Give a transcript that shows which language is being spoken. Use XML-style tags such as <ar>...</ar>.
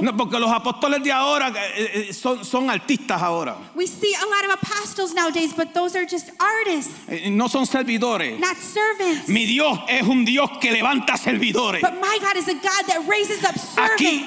<es>No, porque los apóstoles de ahora son artistas ahora.</es> <en>We see a lot of apostles nowadays, but those are just artists.</en> <es>No son servidores.</es> <en>Not servants.</en> <es>Mi Dios es un Dios que levanta servidores.</es> <en>But my God is a God that raises up servants.</en>